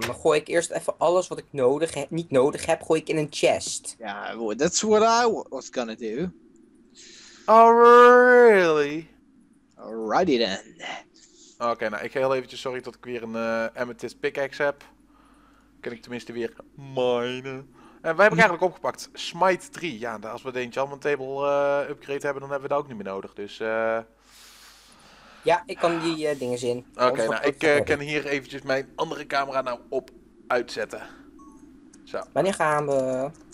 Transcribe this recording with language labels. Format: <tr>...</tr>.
<nl>Dan gooi ik eerst even alles wat ik nodig niet nodig heb, gooi ik in een chest.</nl> <en>Ja, yeah, that's what I was gonna do. Oh, really? Alrighty then.</en> <nl>Okay, nou, ik ga heel eventjes sorry dat ik weer een amethyst pickaxe heb. Kan ik tenminste weer minen. En wij hebben eigenlijk opgepakt Smite 3. Ja, als we de Enchantment Table upgrade hebben, dan hebben we dat ook niet meer nodig. Dus... Ja, ik kan die dingen zien. Oké, nou, ik kan hier eventjes mijn andere camera nou op uitzetten. Zo. Wanneer gaan we?</nl>